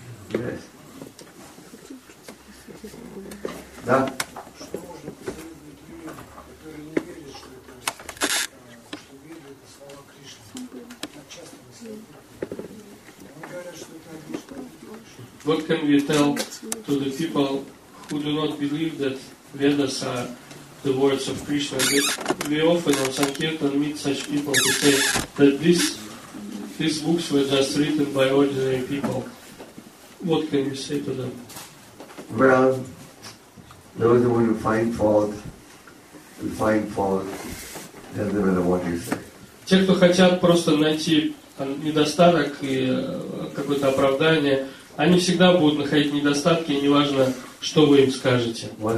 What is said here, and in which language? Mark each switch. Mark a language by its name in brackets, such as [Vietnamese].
[English] Yes. [Russian] Да. Что можно посоветовать людям, которые не верят, что это, что вера это слова Кришны? Так часто мы слышим. Они говорят, что это одни что-то. [English] What can we tell to the people who do not believe that Vedas are the words of Krishna? We often on Sankirtan meet such people to say that these books were just written by ordinary people. What can you say to them? Well, those who want to find fault, to find fault, doesn't matter what you say. [Russian] Те, кто хотят просто найти недостаток и какое-то оправдание, они всегда будут находить недостатки, неважно, что вы им скажете.